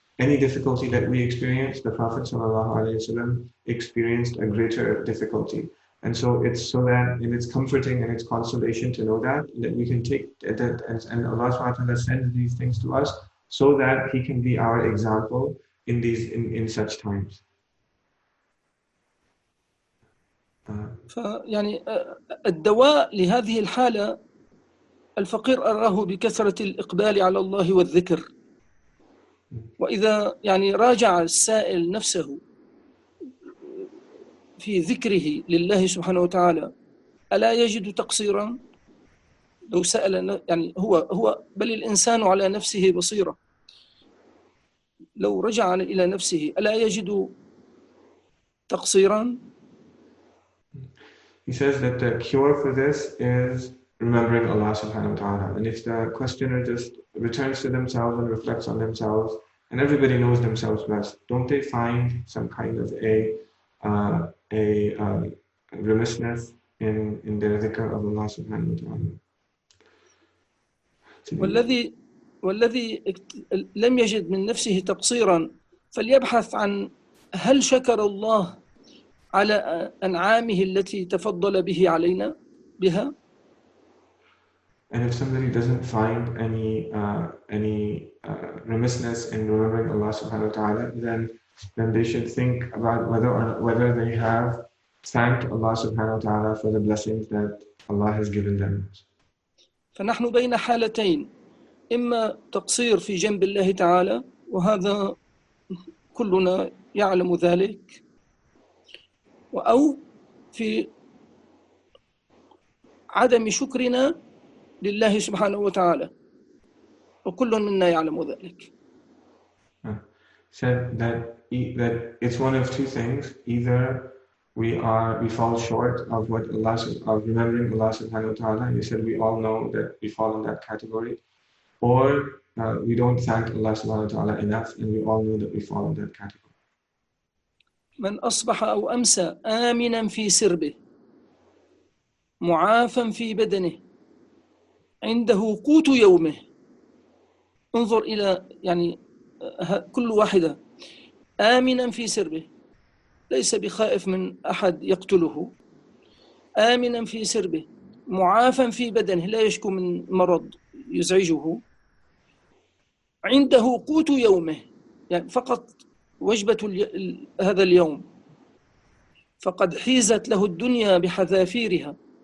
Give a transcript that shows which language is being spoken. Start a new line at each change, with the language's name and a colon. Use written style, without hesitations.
English: Any difficulty that we experience, the Prophet sallallahu alaihi wasallam experienced a greater difficulty. And so it's comforting and it's consolation to know that we can take that, and Allah subhanahu wa ta'ala sends these things to us so that He can be our example in these in such times.
Arabic: فيعني الدواء لهذه الحالة الفقير أراه بكثرة الإقبال على الله والذكر. وإذا يعني راجع السائل نفسه في ذكره لله سبحانه وتعالى ألا يجد تقصيرا؟ لو سأل يعني هو بل الإنسان على نفسه بصيرة، لو رجع إلى نفسه ألا يجد تقصيرا؟
English: He says that the cure for this is remembering Allah subhanahu wa ta'ala. And if the questioner just returns to themselves and reflects on themselves, and everybody knows themselves best, don't they find some kind of a remissness in their dhikr of Allah subhanahu wa ta'ala?
Arabic: والذي لم يجد من نفسه تقصيرا فليبحث عن هل شكر الله على أنعامه التي تفضل به علينا بها.
English: And if somebody doesn't find any remissness in remembering Allah subhanahu wa ta'ala, then they should think about whether they have thanked Allah subhanahu wa ta'ala for the blessings that Allah has given them.
Arabic: فنحن بين حالتين، إما تقصير في جنب الله تعالى وهذا كلنا يعلم ذلك، أو في عدم شكرنا لله سبحانه وتعالى وكل منا يعلم ذلك.
English: Said that it's one of two things: either we fall short of what Allah of remembering Allah subhanahu wa ta'ala. He said we all know that we fall in that category. Or we don't thank Allah subhanahu wa ta'ala enough, and we all know that we fall in that category.
Arabic: من أصبح أو أمسى آمنا في سربه معافا في بدنه عنده قوت يومه. انظر إلى يعني كل واحدة آمنا في سربه، ليس بخائف من أحد يقتله، آمنا في سربه معافا في بدنه، لا يشكو من مرض يزعجه، عنده قوت يومه يعني فقط وجبة هذا اليوم، فقد حيزت له الدنيا بحذافيرها.